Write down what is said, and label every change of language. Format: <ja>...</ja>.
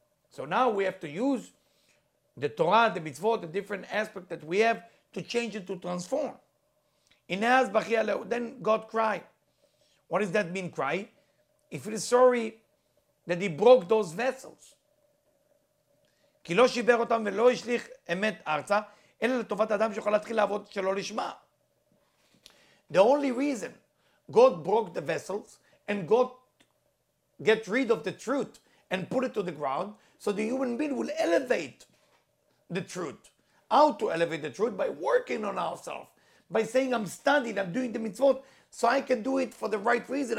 <en>So now we have to use the Torah, the mitzvot, the different aspects that we have to change it, to transform. Then God cried. What does that mean, cry? He feels sorry that he broke those vessels.</en> <he>כי לא שיבר אותם ולא השליך אמת ארצה, אלא לטובת האדם שיכול להתחיל לעבוד שלא לשמה.</he> <en>The only reason God broke the vessels and God get rid of the truth and put it to the ground, so the human being will elevate the truth. How to elevate the truth? By working on ourselves. By saying, I'm studying, I'm doing the mitzvot, so I can do it for the right reason.</en>